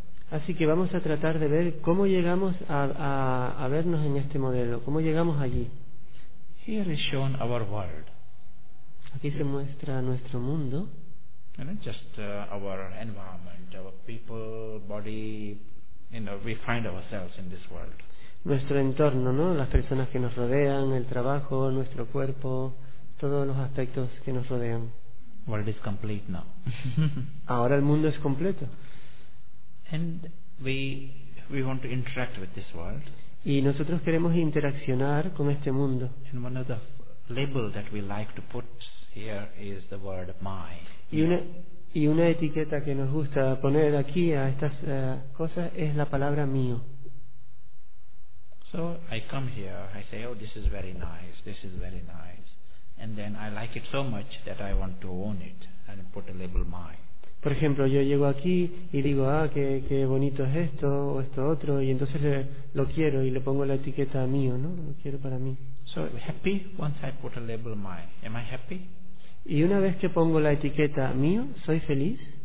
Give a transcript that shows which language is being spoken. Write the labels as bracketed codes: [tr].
[es] Así que vamos a tratar de ver cómo llegamos a vernos en este modelo, cómo llegamos allí. [en] Here is shown our world. [es] Aquí se muestra nuestro mundo. [en] And it's just our environment, our people, body. You know, we find ourselves in this world. [es] Nuestro entorno, ¿no? Las personas que nos rodean, el trabajo, nuestro cuerpo, todos los aspectos que nos rodean. [en] World is complete now. [es] Ahora el mundo es completo. [en] And we want to interact with this world. [es] Y nosotros queremos interaccionar con este mundo. [en] And one of the labels that we like to put here is the word my. [es] Y una etiqueta que nos gusta poner aquí a estas cosas es la palabra mío. [en] So I come here, I say, oh, this is very nice, this is very nice. And then I like it so much that I want to own it and put a label my. [es] Por ejemplo, yo llego aquí y digo, ah, qué bonito es esto o esto otro, y entonces lo quiero y le pongo la etiqueta mío, ¿no? Lo quiero para mí. [en] So happy once I put a label my. Am I happy? [es] Y una vez que pongo la etiqueta mío, ¿soy feliz?